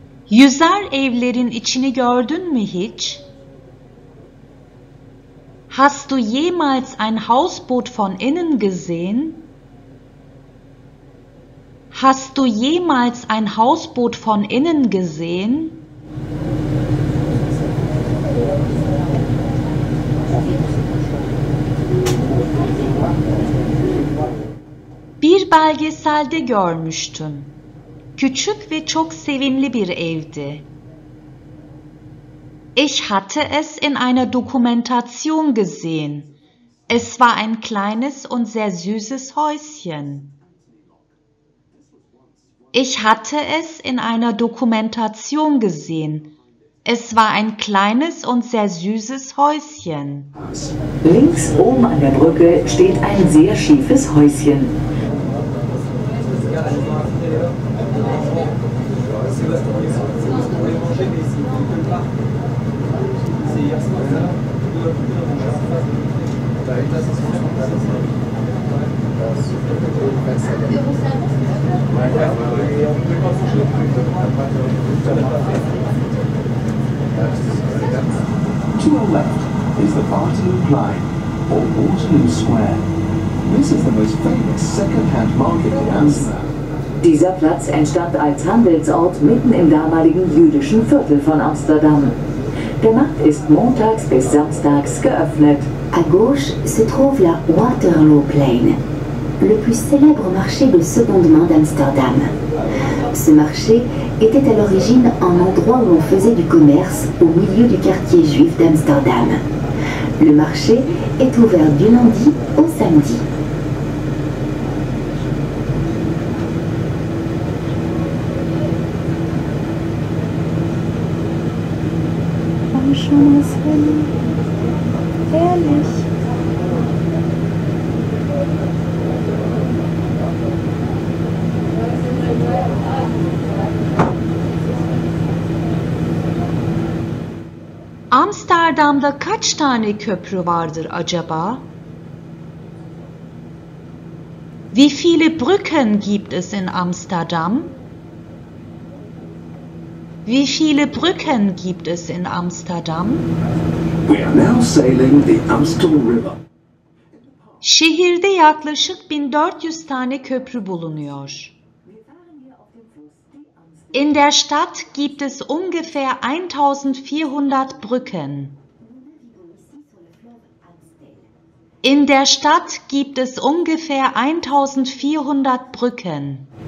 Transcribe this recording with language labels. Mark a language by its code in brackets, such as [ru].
[tr] Yüzer evlerin içini gördün mü hiç? [de] Hast du jemals ein Hausboot von innen gesehen? Hast du jemals ein Hausboot von innen gesehen? [tr] Bir belgeselde görmüştüm. Küçük ve çok sevimli bir evdi. [de] Ich hatte es in einer Dokumentation gesehen. Es war ein kleines und sehr süßes Häuschen. Ich hatte es in einer Dokumentation gesehen. Es war ein kleines und sehr süßes Häuschen. Links oben an der Brücke steht ein sehr schiefes Häuschen. [en] To our left is the Waterloo-Plein, or Waterloo Square. This is the most famous second-hand market in Amsterdam. [de] Dieser Platz entstand als Handelsort mitten im damaligen jüdischen Viertel von Amsterdam. Der Markt ist montags bis samstags geöffnet. [fr] À gauche se trouve la Waterloo Plain, le plus célèbre marché de seconde main d'Amsterdam. Ce marché était à l'origine un endroit où on faisait du commerce au milieu du quartier juif d'Amsterdam. Le marché est ouvert du lundi au samedi. [de] Schönes Leben. Herrlich. [tr] Amsterdam'da kaç tane köprü vardır acaba? [de] Wie viele Brücken gibt es in Amsterdam? Wie viele Brücken gibt es in Amsterdam? [en] We are now sailing the Amstel River. [tr] Şehirde yaklaşık 1400 tane köprü bulunuyor. [de] In der Stadt gibt es ungefähr 1400 Brücken. In der Stadt gibt es ungefähr 1400 Brücken.